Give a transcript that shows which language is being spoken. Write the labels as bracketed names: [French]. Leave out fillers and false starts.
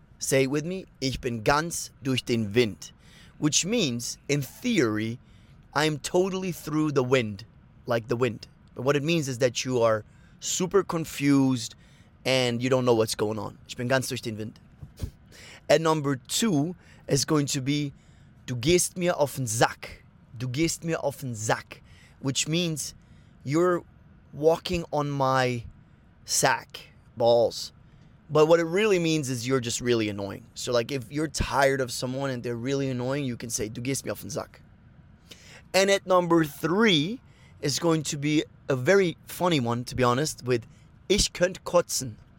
[English] Say it with me, [German] ich bin ganz durch den Wind. [English] Which means, in theory, I'm totally through the wind, like the wind. But what it means is that you are super confused and you don't know what's going on. [German] Ich bin ganz durch den Wind. [English] At number two is going to be, [German] du gehst mir auf den Sack. Du gehst mir auf den Sack. [English] Which means you're walking on my sack, balls. But what it really means is you're just really annoying. So like if you're tired of someone and they're really annoying, you can say, [German] du gehst mir auf den Sack. [English] And at number three is going to be a very funny one, to be honest, with [German] ich könnte kotzen.